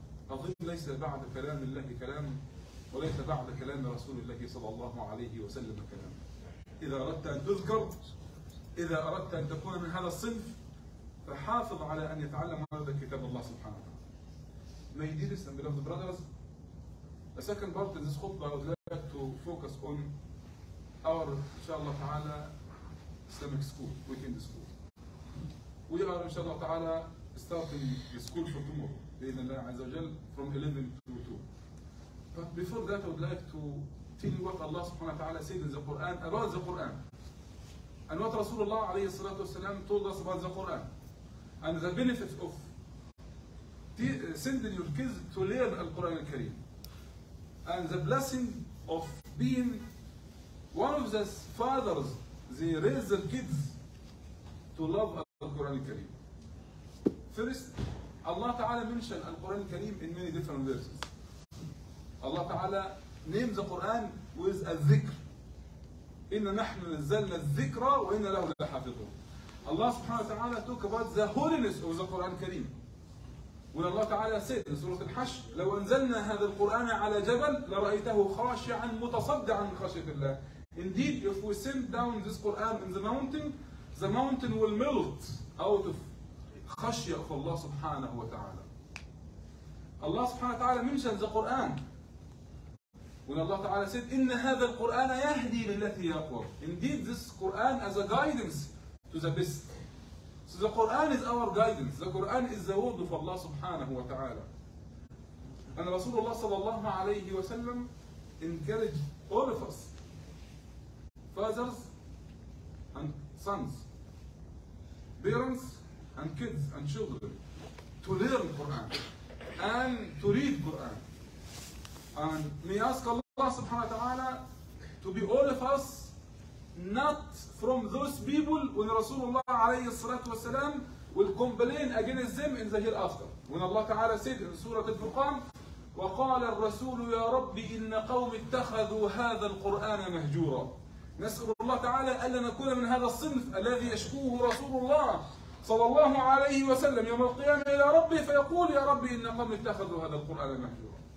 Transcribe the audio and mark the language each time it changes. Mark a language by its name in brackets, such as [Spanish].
[Arabic] أظن ليس بعد كلام الله كلام وليس بعد كلام رسول الله صلى الله عليه وسلم كلام. إذا أردت أن تذكر، إذا أردت أن تكون من هذا الصنف، فحافظ على أن يتعلم هذا كتاب الله سبحانه وتعالى. [English] May dearest and beloved brothers, the second part of this khutbah I would like to focus on our, inshallah ta'ala, Islamic school, weekend school. We are, inshallah ta'ala, starting the school for tomorrow, [Arabic] بإذن الله عز وجل, [English] from 11 to 2. But before that, I would like to tell you what Allah subhanahu wa ta'ala said in the Quran, about the Quran. And what Rasulullah alayhi salatu wasalam told us about the Quran. And the benefits of sending your kids to learn the Quran al-Kareem. And the blessing of being one of the fathers, they raise their kids to love the Quran al-Kareem. First, Allah Ta'ala mentioned the Quran al-Kareem in many different verses. Allah Ta'ala named the Quran with a dhikr. [Arabic] إِنَّ نَحْنُ نَزَّلْنَا الذِّكْرَ وَإِنَّ لَهُ لَحَافِظُونَ. [English] Allah Subh'anaHu Wa Ta'ala talk about the holiness of the Quran al-Kareem. When Allah Ta'ala said in Surah Al-Hashr, [Arabic] لو أنزلنا هذا القرآن على جبل لرأيته خاشعا متصدعا من خشية الله. [English] Indeed, if we send down this Quran in the mountain will melt out of خشية of Allah Subh'anaHu Wa Ta'ala. Allah Subh'anaHu Wa Ta'ala mentioned the Quran. When Allah Ta'ala said, [Arabic] إن هذا القرآن يهدي للتي هي أقوم. [English] Indeed, this Quran as a guidance to the best. So the Quran is our guidance. The Quran is the word of Allah subhanahu wa ta'ala. And Rasulullah sallallahu alayhi wa sallam encouraged all of us, fathers and sons, parents and kids and children, to learn Quran and to read Quran. And may ask Allah subhanahu wa ta'ala to be all of us not from those people when Rasulullah alayhi salatu wa salam will complain against them in the hereafter. When Allah Ta'ala said in Surah Al-Furqan, [Arabic] وَقَالَ الرَّسُولُ يَا رَبِّ إِنَّ قَوْمِ اتَّخَذُوا هَذَا الْقُرْآنَ مَهْجُورًا. نسأل الله تعالى ألا نكون من هذا الصنف الذي يشكوه رسول الله صلى الله عليه وسلم يوم القيامة إلى ربه فيقول يا ربي إن قوم اتخذوا هذا القرآن مهجورا.